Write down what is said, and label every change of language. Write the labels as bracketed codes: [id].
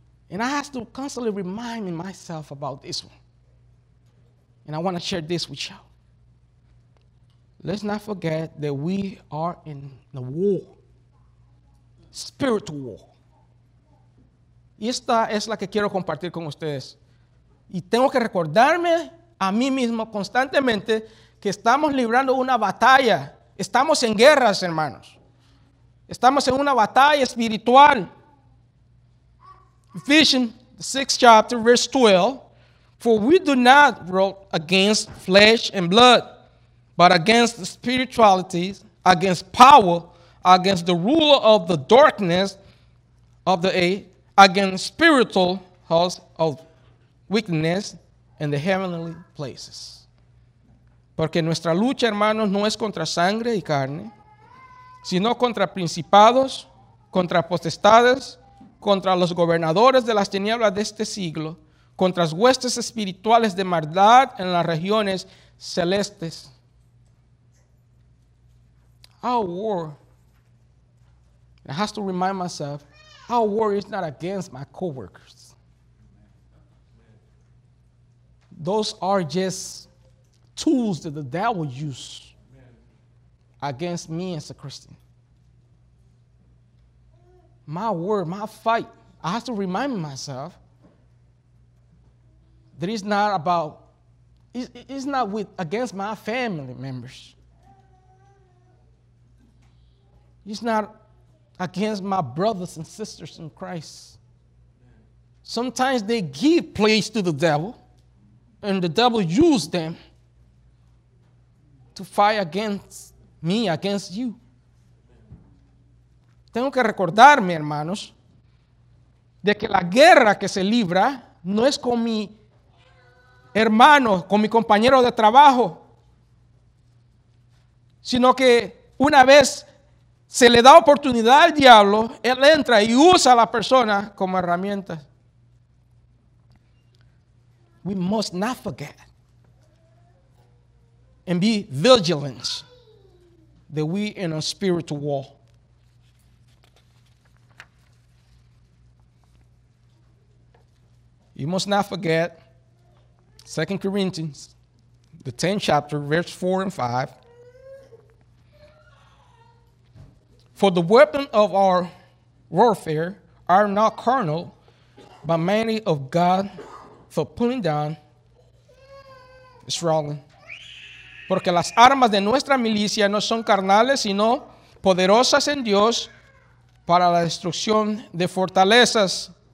[en] And I have to constantly remind myself about this one. And I want to share this with y'all. Let's not forget that we are in the war, spiritual war. [es] Y esta es la que quiero compartir con ustedes. Y tengo que recordarme a mí mismo constantemente que estamos librando una batalla. Estamos en guerras, hermanos. Estamos en una batalla espiritual. Ephesians [en] the sixth chapter, verse 12, for we do not wrestle against flesh and blood, but against the spiritualities, against power, against the ruler of the darkness of the age, against spiritual hosts of wickedness in the heavenly places. [es] Porque nuestra lucha, hermanos, no es contra sangre y carne, sino contra principados, contra potestades, contra los gobernadores de las tinieblas de este siglo, contra las huestes espirituales de maldad en las regiones celestes. [en] Our war, I have to remind myself, our war is not against my coworkers. Those are just tools that the devil uses against me as a Christian. My word, my fight, I have to remind myself that it's not about, it's not with against my family members. It's not against my brothers and sisters in Christ. Sometimes they give place to the devil, and the devil uses them to fight against me, against you. [es] Tengo que recordarme, hermanos, de que la guerra que se libra no es con mi hermano, con mi compañero de trabajo, sino que una vez se le da oportunidad al diablo, él entra y usa a la persona como herramienta. [en] We must not forget and be vigilant that we in a spiritual war. You must not forget 2 Corinthians, the 10th chapter, verse 4 and 5. For the weapons of our warfare are not carnal, but mighty of God for pulling down strongholds. [es] Porque las armas de nuestra milicia no son carnales, sino poderosas en Dios para la destrucción de fortalezas.